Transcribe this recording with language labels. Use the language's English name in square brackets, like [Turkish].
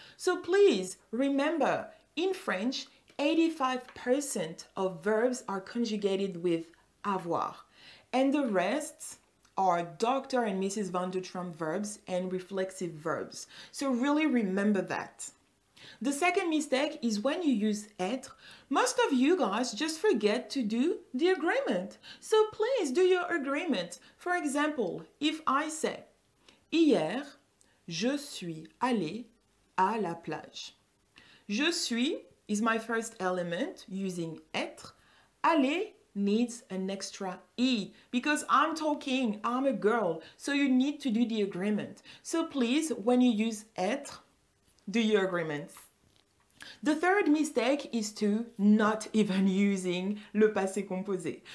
[English] So please remember, in French, 85% of verbs are conjugated with avoir, and the rest are Dr. and Mrs. Van der Tromp verbs and reflexive verbs. So really remember that. The second mistake is when you use être, most of you guys just forget to do the agreement. So please do your agreement. For example, if I say, [French] hier, je suis allé à la plage. [English] Je suis is my first element using être. Aller needs an extra E because I'm talking, I'm a girl. So you need to do the agreement. So please, when you use être, do your agreements. The third mistake is to not even using le passé composé.